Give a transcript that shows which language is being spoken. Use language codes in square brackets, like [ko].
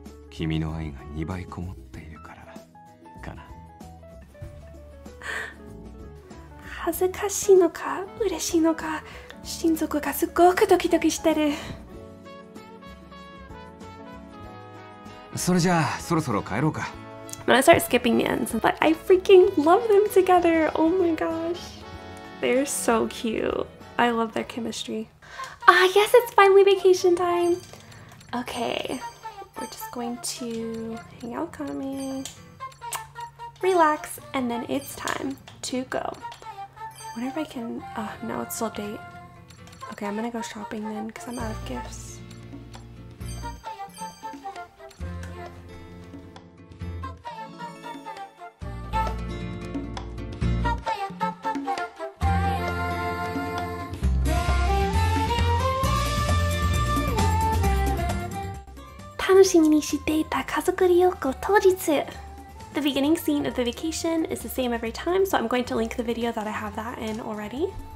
[ja] 君の愛が2倍こもっているからかな。恥ずかしいのか嬉しいのか、親族がすごくドキドキしてる。それじゃあそろそろ帰ろうか。 [en] I'm gonna start skipping the ends, but I freaking love them together. Oh my gosh. They're so cute. I love their chemistry. Ah, yes, it's finally vacation time. Okay, we're just going to hang out, Kami. Relax, and then it's time to go. Whenever I can. Oh, no, it's still update. Okay, I'm gonna go shopping then because I'm out of gifts. [ja] 楽しみにしていた家族旅行当日。 [en] The beginning scene of the vacation is the same every time, so I'm going to link the video that I have that in already.